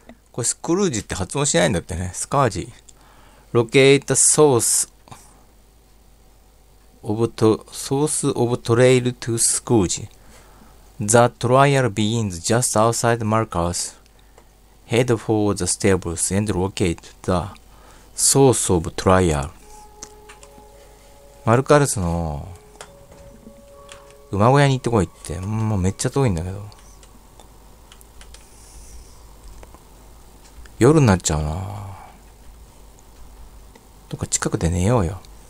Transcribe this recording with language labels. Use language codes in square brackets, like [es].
[ja] これスクルージって発音しないんだってね。スカージ。 [en] ロケートソースオブト、ソースオブトレイルトゥスクージ。 The trial begins just outside Marcus. Head for the stables and locate the source of trial. [ja] マルカルスの馬小屋に行ってこいって、もうめっちゃ遠いんだけど。夜になっちゃうな。どっか近くで寝ようよ。